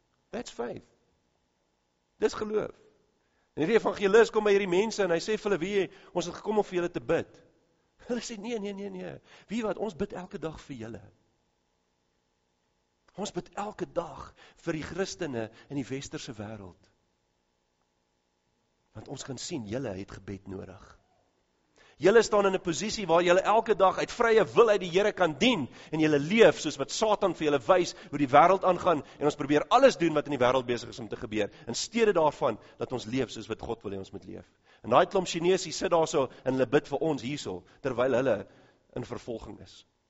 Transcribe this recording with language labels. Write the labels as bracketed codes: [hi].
[en] That's faith. [af] Dis geloof. En hierdie evangelis kom by hierdie mense en hy sê vir hulle, "Wie, ons het gekom om vir julle te bid." Hulle sê, nee. Wie wat, ons bid elke dag vir julle. Ons bid elke dag vir die Christene in die westerse wêreld. Want ons kan sien, julle het gebed nodig. Julle staan in 'n posisie waar julle elke dag uit vrye wil uit die Here kan dien, en julle leef soos wat Satan vir julle wys hoe die wêreld aangaan, en ons probeer alles doen wat in die wêreld besig is om te gebeur, in steede daarvan dat ons leef soos wat God wil hê ons moet leef. En daai klomp Chinese sit daar so en hulle bid vir ons hierso, terwyl hulle in vervolging is.